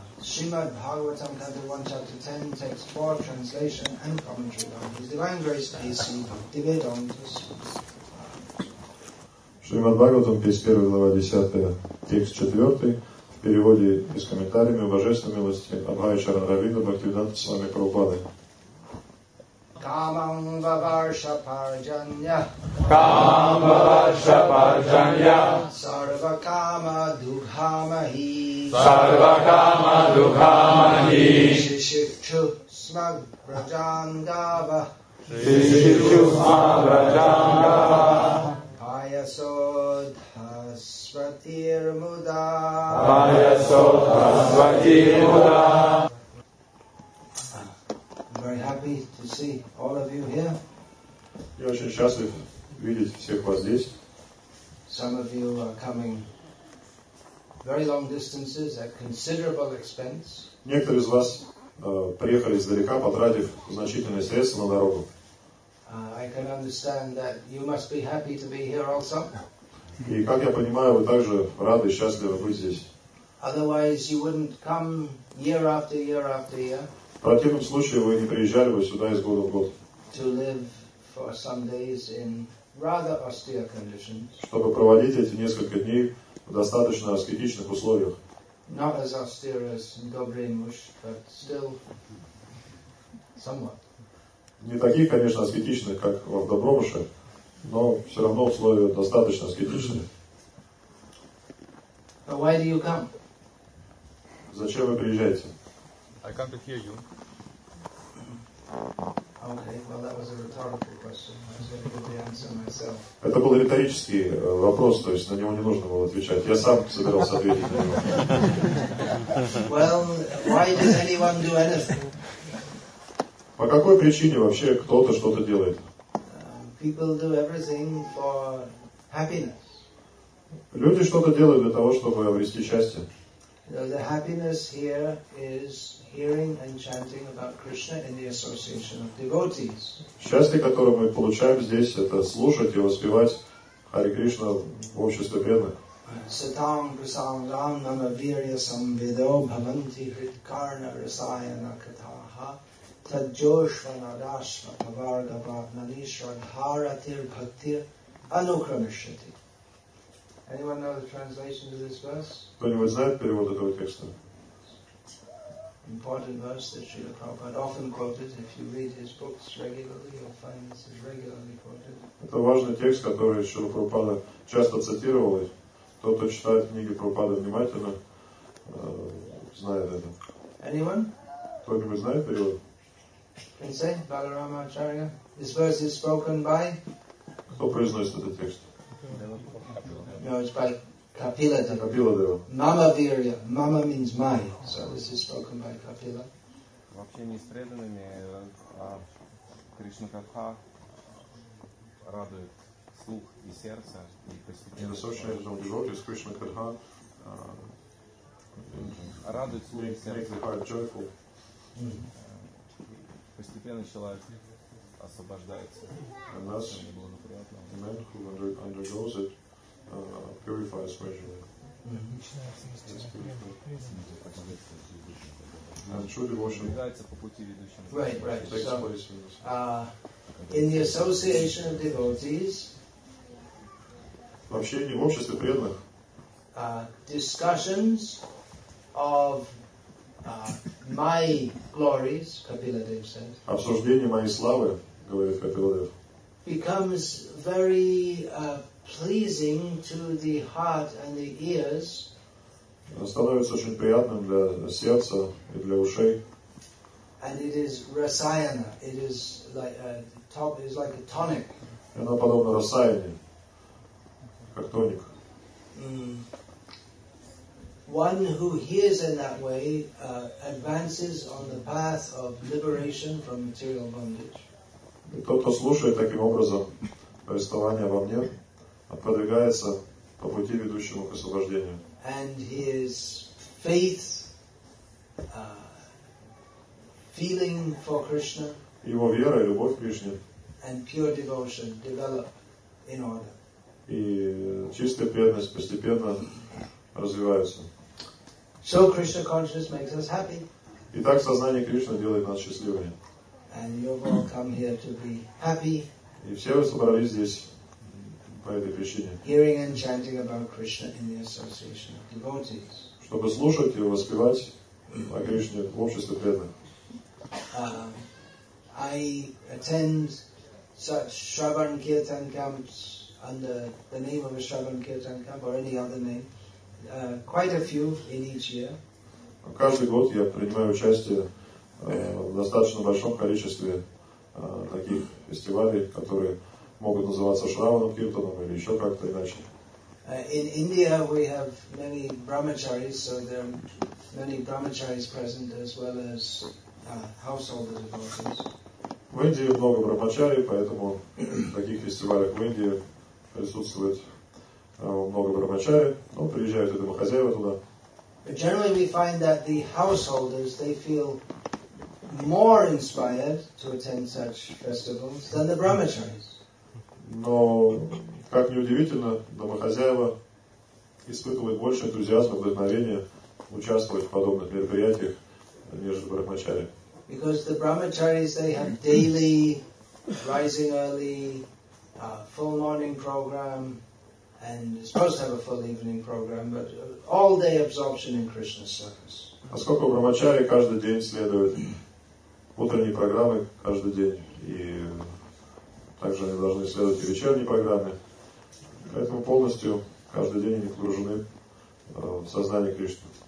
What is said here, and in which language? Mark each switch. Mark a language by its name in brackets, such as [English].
[English] Srimad Bhagavatam, Level 1, Chapter 10, Text 4, Translation and Commentary by His Divine Grace, A.C. Bhaktivedanta Swami. [Russian] Srimad Bhagavatam, 51, глава 10, текст 4, в переводе и с комментариями Божественной милости Абхая Чаранаравинда Бхактивиданта Свами Прабхупады. [Sanskrit] Камам ваварша парджанья Камам ваварша парджанья Сарва кама духа махи Сарва кама духа махи Шишичу смаг праджангава Шишичу смаг праджангава Паясо дхасватир муда Паясо дхасватир муда [English] Very happy to see all of you here. [Russian] Я очень счастлив видеть всех вас здесь. [English] Some of you are coming very long distances at considerable expense. [Russian] Некоторые из вас приехали издалека, потратив значительные средства на дорогу. [English] I can understand that you must be happy to be here also. [Russian] И как я понимаю, вы также рады и счастливы быть здесь. [English] Otherwise, you wouldn't come year after year after year. [Russian] В противном случае вы не приезжали бы сюда из года в год. [English] To live for some days in rather austere conditions. [Russian] Чтобы проводить эти несколько дней в достаточно аскетичных условиях. [English] Not as austere as Dobrynush, but still somewhat. [Russian] Не таких, конечно, аскетичных, как в Добромыше, но все равно условия достаточно аскетичные. [English] But why do you come? [Russian] Зачем вы приезжаете? [English] I come to hear you. Okay, well, that was a rhetorical question. I was going to give the answer myself. [Russian] Это был риторический вопрос, то есть на него не нужно было отвечать. Я сам собирался ответить на него. [English] Well, why does anyone do anything? [Russian] По какой причине вообще кто-то что-то делает? [English] People do everything for happiness. [Russian] Люди что-то делают для того, чтобы обрести счастье. [English] The happiness here is hearing and chanting about Krishna in the association of devotees. [Russian] Счастье, которое мы получаем здесь, это слушать и воспевать Хари Кришна в обществе преданных. [Sanskrit] Satam prasangam nama virya samvido bhavanti hridkarna rasayana kataha tadjoshva nadashva pavarga bhavnanishra dharatir bhaktir anukramishyati. [English] Anyone know the translation of this verse? [Russian] Кто-нибудь знает перевод этого текста? [English] Important verse that Srila Prabhupada often quoted. If you read his books regularly, you'll find this is regularly quoted. [Russian] Это важный текст, который Шрила Прабхупада часто цитировал. Тот, кто читает книги Прабхупады внимательно, знает это. [English] Anyone? [Russian] Кто-нибудь знает перевод? [English] Can say, Balarama Acharya. This verse is spoken by? [Russian] Кто произносит этот текст? [English] No, it's by Kapila Deva. Kapila Deva. [Sanskrit] Mama Virya. [English] Mama means my. So this is spoken by Kapila. [Russian] Вообще не преданными, а Кришна Катха радует слух и сердце и постепенно. [English] Associated of devotees, Krishna Katha [Russian] радует слух и сердце. [English] Makes the heart joyful. [Russian] Постепенно человек освобождается. [English] And thus, the man who undergoes it purifies gradually. In the association of devotees, [Russian] в общении, в обществе преданных, [English] discussions of my glories, Kapila Dev said. [Russian] Обсуждение моей славы, говорит Kapila Dev. [English] Becomes very pleasing to the heart and the ears. [Russian] Становится очень приятным для сердца и для ушей. [English] And it is rasayana. It is like a top. It is like a tonic. [Russian] Оно подобно расаяне, как тоник. [English] One who hears in that way advances on the path of liberation from material bondage. [Russian] Тот, кто слушает таким образом повествование во мне, продвигается по пути, ведущему к освобождению. [English] And his faith, feeling for Krishna, [Russian] его вера и любовь к Кришне, [English] and pure devotion develop in order. [Russian] И чистая преданность постепенно развивается. [English] So Krishna consciousness makes us happy. [Russian] Итак, сознание Кришны делает нас счастливыми. [English] And you've all come here to be happy. [Russian] И все вы собрались здесь по этой причине. [English] Hearing and chanting about Krishna in the association of devotees. [Russian] Чтобы слушать и воспевать о Кришне в обществе преданных. [English] I attend such Shravan Kirtan camps under the name of a Shravan Kirtan camp or any other name. Quite a few in each year. [Russian] Каждый год я принимаю участие в достаточно большом количестве таких фестивалей, которые могут называться Шраваном Киртаном или еще как-то иначе. [English] In India we have many brahmacharis, so there are many brahmacharis present as well as household devotees. [Russian] В Индии много брахмачарий, поэтому в таких фестивалях в Индии присутствует много брахмачарий, но приезжают и домохозяева туда. [English] But generally we find that the householders, they feel more inspired to attend such festivals than the brahmacharis. [Russian] Но, как ни удивительно, домохозяева испытывают больше энтузиазма, вдохновения участвовать в подобных мероприятиях, нежели брахмачари. [English] Because the brahmacharis, they have daily rising early, full morning program, and supposed to have a full evening program, but all day absorption in Krishna's service. [Russian] Поскольку брахмачари каждый день следует утренние программы каждый день, и также они должны следовать вечерние программы. Поэтому полностью каждый день они погружены в сознание Кришны.